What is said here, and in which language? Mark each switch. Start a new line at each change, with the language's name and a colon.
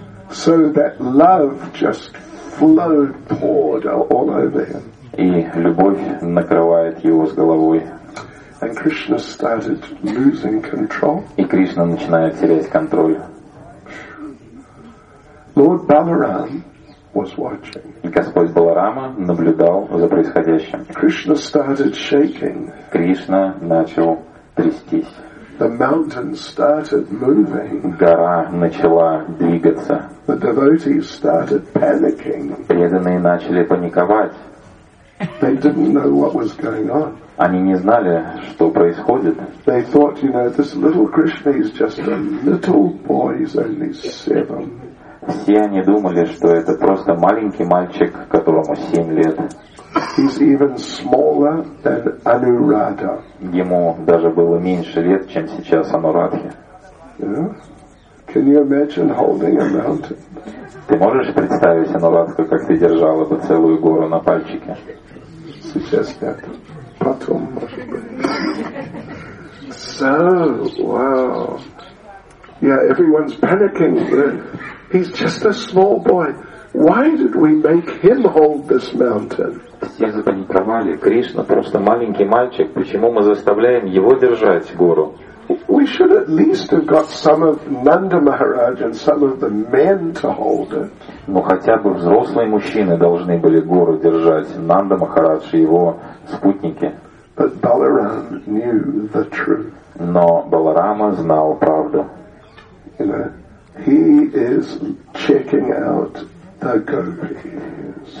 English: So that love just flowed, poured all over him.
Russian: И любовь накрывает его с головой.
English: And Krishna started losing control.
Russian: И Кришна начинает терять контроль.
English: Lord Balaram was watching.
Russian: И Господь Баларама наблюдал за происходящим.
English: Krishna started shaking.
Russian: Кришна начал трястись.
English: The mountain started moving.
Russian: Гора начала двигаться.
English: The devotees started panicking.
Russian: Преданные начали паниковать.
English: They didn't know what was going on.
Russian: Они не знали, что происходит.
English: They thought, you know, this little Krishna is just a little boy, he's only 7.
Russian: Все они думали, что это просто маленький мальчик, которому 7 лет.
English: He's even smaller than Anuradha.
Russian: Ему даже было меньше лет, чем сейчас Анурадхе.
English: Yeah. Can you imagine holding a mountain?
Russian: Ты можешь представить Анурадху, как ты держала бы целую гору на пальчике? Сейчас нет. Потом, может быть.
English: So, wow. Yeah, everyone's panicking. He's just a small boy. Why did we make him hold this mountain?
Russian: Все запаниковали. Кришна просто маленький мальчик. Почему мы заставляем его держать гору?
English: We should at least have got some of Nanda Maharaj and some of the men to hold it.
Russian: Ну хотя бы взрослые мужчины должны были гору держать. Нанда Махарадж и его спутники.
English: But Balaram knew the truth.
Russian: Но Баларама знал правду.
English: he is checking out the gopis.